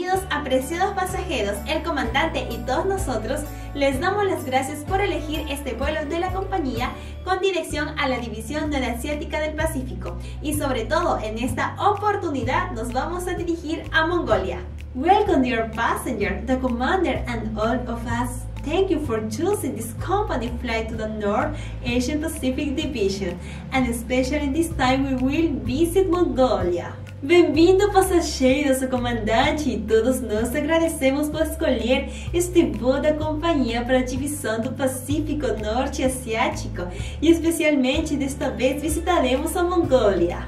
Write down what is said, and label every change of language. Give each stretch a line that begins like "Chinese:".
Spanish: apreciados pasajeros, el comandante y todos nosotros les damos las gracias por elegir este vuelo de la compañía con dirección a la División Norte Asiática del Pacífico. Y sobre todo, en esta oportunidad nos vamos a dirigir a Mongolia.
English: Welcome dear passenger, the commander and all of us. Thank you for choosing this company flight to the North Asian Pacific Division. And especially this time we will visit Mongolia.
Portuguese: Bem-vindo, passageiros, o comandante, e todos nós agradecemos por escolher este voo da companhia para a divisão do Pacífico Norte Asiático, e especialmente desta vez visitaremos a Mongólia.